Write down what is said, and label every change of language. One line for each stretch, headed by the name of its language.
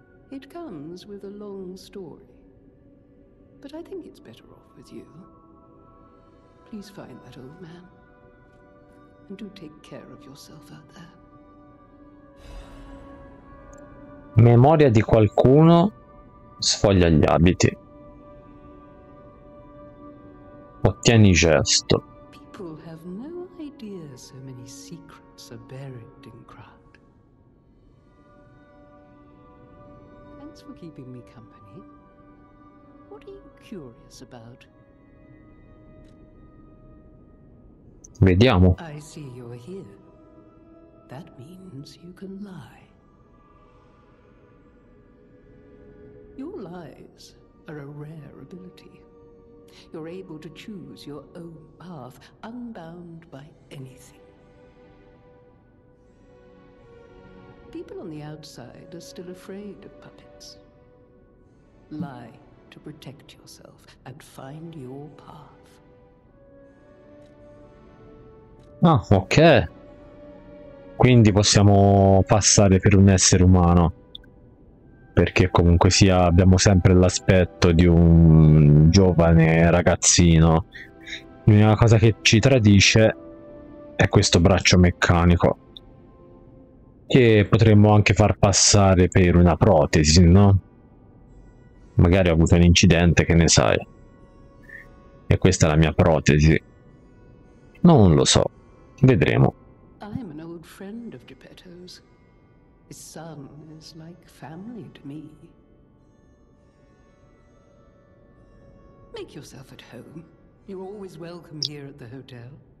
English: It comes with a long story. But I think it's better off with you. Please find that old man. And do take care of yourself out there.
Italian: Memoria di qualcuno sfoglia gli abiti. Ottieni gesto.
English: People have no idea so many secrets are buried in Kraut. Thanks for keeping me company. What are you curious about?
Italian: Vediamo.
English: I see you're here. That means you can lie. Your lies are a rare ability. You're able to choose your own path, unbound by anything. People on the outside are still afraid of puppets. Lie to protect yourself and find your path.
Italian: Ah, ok. Quindi possiamo passare per un essere umano, perché comunque sia abbiamo sempre l'aspetto di un giovane ragazzino. L'unica cosa che ci tradisce è questo braccio meccanico, che potremmo anche far passare per una protesi, no? Magari ha avuto un incidente, che ne sai. E questa è la mia protesi. Non lo so. Vedremo.
English: I am an old friend of Geppetto's. His son is like family to me. Make yourself at home. You're always welcome here at the hotel.